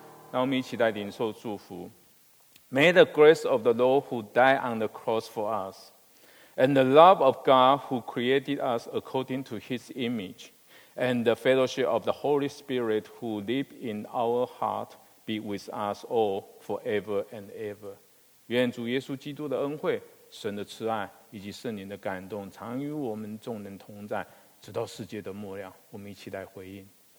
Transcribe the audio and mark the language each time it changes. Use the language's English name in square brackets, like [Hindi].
[Chinese] 让我们一起来领受祝福。 [English] May the grace of the Lord who died on the cross for us and the love of God who created us according to his image and the fellowship of the Holy Spirit who lives in our heart be with us all forever and ever. [Chinese] 愿主耶稣基督的恩惠，神的慈爱以及圣灵的感动常与我们众人同在，直到世界的末了。我们一起来回应